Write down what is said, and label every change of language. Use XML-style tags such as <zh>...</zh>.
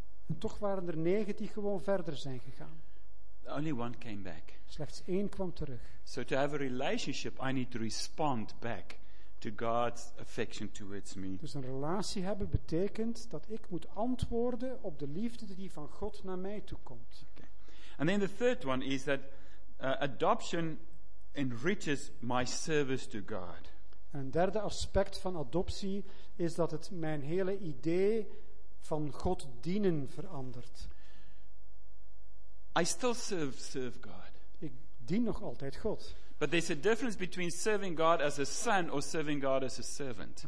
<nl>En toch waren er 9 die gewoon verder zijn gegaan.</nl> <en>Only one came back.</en> <nl>Slechts 1 kwam terug.</nl> <en>So to have a relationship, I need to respond back to God's affection towards me.</en> <nl>Dus een relatie hebben betekent dat ik moet antwoorden op de liefde die van God naar mij toe komt.</nl> <en>Okay. And then the third one is that adoption enriches my service to God.</en> <nl>En een derde aspect van adoptie is dat het mijn hele idee van God dienen verandert.</nl> <en>I still serve God.</en> <nl>Ik dien nog altijd God.</nl> <en>But there's a difference between serving God as a son or serving God as a servant.</en>